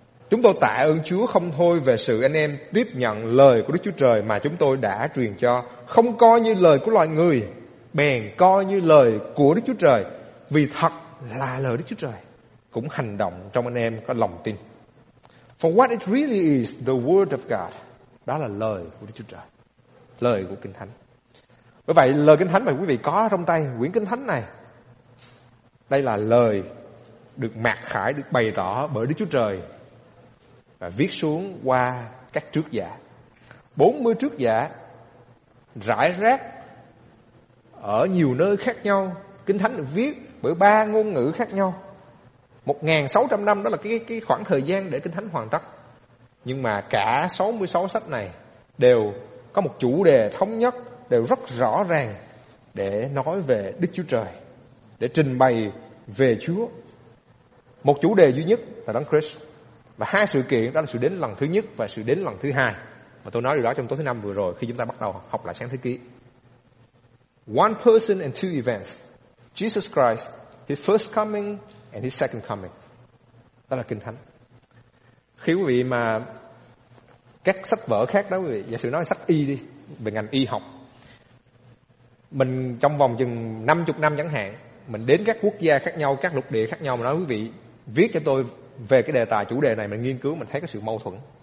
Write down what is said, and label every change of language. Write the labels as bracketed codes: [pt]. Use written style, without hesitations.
[vi] Chúng tôi tạ ơn Chúa không thôi về sự anh em tiếp nhận lời của Đức Chúa Trời mà chúng tôi đã truyền cho. Không coi như lời của loài người, bèn coi như lời của Đức Chúa Trời. Vì thật là lời Đức Chúa Trời cũng hành động trong anh em có lòng tin. [en] For what it really is, the word of God. [vi] Đó là lời của Đức Chúa Trời, lời của Kinh Thánh. Bởi vậy lời Kinh Thánh mà quý vị có trong tay, quyển Kinh Thánh này, đây là lời được mạc khải, được bày tỏ bởi Đức Chúa Trời và viết xuống qua các trước giả. 40 trước giả rải rác ở nhiều nơi khác nhau. Kinh Thánh được viết bởi 3 ngôn ngữ khác nhau. 1600 năm, đó là cái khoảng thời gian để Kinh Thánh hoàn tất. Nhưng mà cả 66 sách này đều có một chủ đề thống nhất, đều rất rõ ràng để nói về Đức Chúa Trời, để trình bày về Chúa. Một chủ đề duy nhất là Đấng Christ. Và hai sự kiện đó là sự đến lần thứ nhất và sự đến lần thứ hai. Mà tôi nói điều đó trong tối thứ năm vừa rồi khi chúng ta bắt đầu học lại sáng thế ký. [en] One person and two events. Jesus Christ, His first coming and His second coming. [vi] Đó là Kinh Thánh. Khi quý vị mà các sách vở khác đó, quý vị, giả sử nói sách y đi, về ngành y học. Mình trong vòng chừng 50 năm chẳng hạn, mình đến các quốc gia khác nhau, các lục địa khác nhau, mà nói quý vị viết cho tôi về cái đề tài chủ đề này, mình nghiên cứu, mình thấy có sự mâu thuẫn.